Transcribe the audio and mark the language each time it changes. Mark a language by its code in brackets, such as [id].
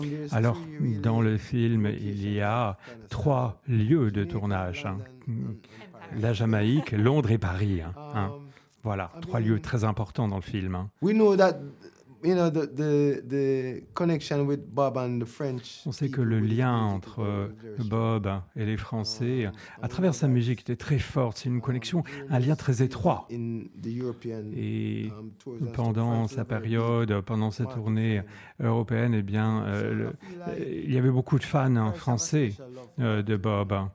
[fr] Alors, dans le film, il y a trois lieux de tournage. Hein. La Jamaïque, Londres et Paris. Hein. Voilà, trois lieux très importants dans le film. [en] We know that, you know, the connection with Bob and the French. [fr] On sait que le lien entre Bob et les Français, à travers sa musique, était très fort. C'est une connexion, un lien très étroit. Et pendant sa période, pendant sa tournée européenne, eh bien, il y avait beaucoup de fans français de Bob.